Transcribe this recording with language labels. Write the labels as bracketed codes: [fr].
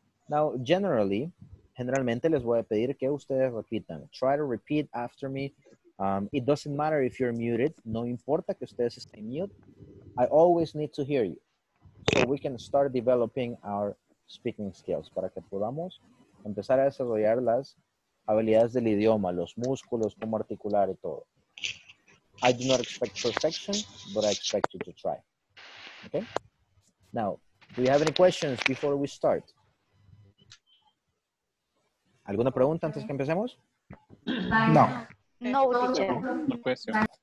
[es] Now, generalmente les voy a pedir que ustedes repitan. [en] Try to repeat after me. It doesn't matter if you're muted. [es] No importa que ustedes estén mute. [en] I always need to hear you. So, we can start developing our speaking skills. [es] Para que podamos empezar a desarrollar las habilidades del idioma, los músculos, cómo articular y todo. [en] I do not expect perfection, but I expect you to try. Okay? Now, do you have any questions before we start? [es] ¿Alguna pregunta antes que empecemos? [en] No. No, teacher. No question.